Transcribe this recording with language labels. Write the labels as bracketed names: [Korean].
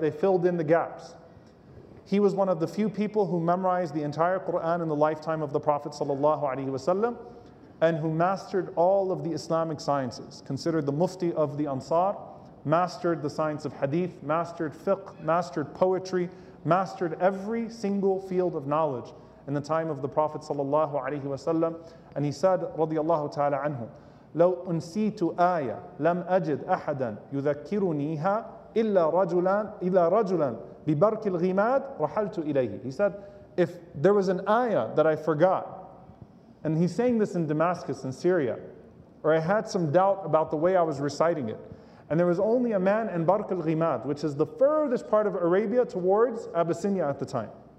[English] They filled in the gaps. He was one of the few people who memorized the entire Qur'an in the lifetime of the Prophet sallallahu alaihi wasallam, and who mastered all of the Islamic sciences, considered the mufti of the Ansar, mastered the science of hadith, mastered fiqh, mastered poetry, mastered every single field of knowledge in the time of the Prophet sallallahu alaihi wasallam. And he said, [Arabic] radiallahu ta'ala anhu, لو أنسيت آية لم أجد أحدا يذكرنيها إلا رجلا ببرك الغماد رحلت إليه. [English] He said, if there was an ayah that I forgot, and he's saying this in Damascus in Syria, or I had some doubt about the way I was reciting it, and there was only a man in Bark al-Ghimad, which is the furthest part of Arabia towards Abyssinia at the time.